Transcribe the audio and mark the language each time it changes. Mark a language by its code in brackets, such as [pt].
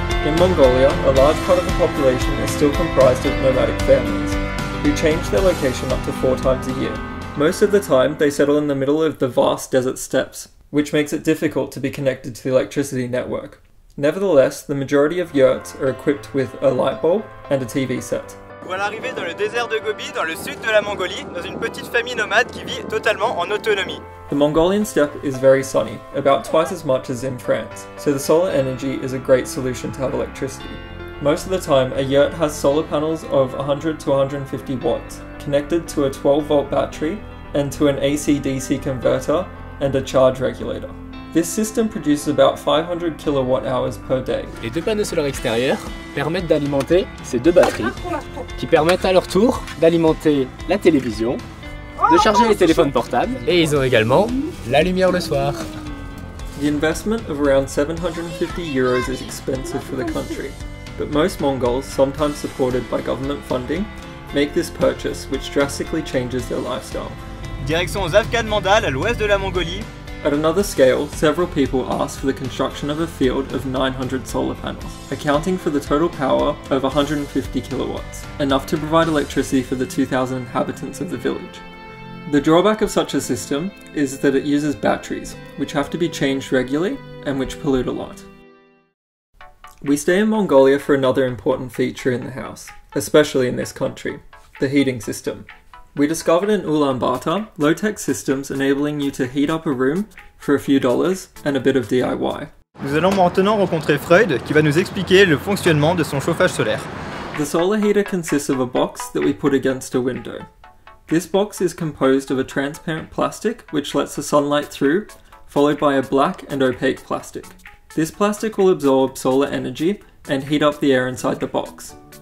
[en] In Mongolia, a large part of the population is still comprised of nomadic families, who change their location up to 4 times a year. Most of the time, they settle in the middle of the vast desert steppes, which makes it difficult to be connected to the electricity network. Nevertheless, the majority of yurts are equipped with a light bulb and a TV set. We are [fr] arrivés dans le désert de Gobi, dans le sud de la Mongolie, dans une petite famille nomade qui vit totalement en autonomie. [en] The Mongolian steppe is very sunny, about twice as much as in France, so the solar energy is a great solution to have electricity. Most of the time, a yurt has solar panels of 100 to 150 watts, connected to a 12 volt battery, and to an AC-DC converter, and a charge regulator. This system produces about 500 kilowatt hours per day. [fr] Les deux panneaux solaires extérieurs permettent d'alimenter ces deux batteries, qui permettent à leur tour d'alimenter la télévision, de charger les téléphones portables, et ils ont également la lumière le soir. [en] The investment of around 750 euros is expensive for the country. but most Mongols, sometimes supported by government funding, make this purchase, which drastically changes their lifestyle. [fr] Direction Zavkad Mandal, à l'ouest de la Mongolie. [en] At another scale, several people asked for the construction of a field of 900 solar panels, accounting for the total power of 150 kilowatts, enough to provide electricity for the 2,000 inhabitants of the village. The drawback of such a system is that it uses batteries, which have to be changed regularly and which pollute a lot. We stay in Mongolia for another important feature in the house, especially in this country, the heating system. We discovered in Ulaanbaatar low-tech systems enabling you to heat up a room for a few dollars and a bit of DIY. [fr] Nous allons maintenant rencontrer Freud qui va nous expliquer le fonctionnement de son chauffage solaire. [en] The solar heater consists of a box that we put against a window. This box is composed of a transparent plastic which lets the sunlight through, followed by a black and opaque plastic. This plastic will absorb solar energy and heat up the air inside the box.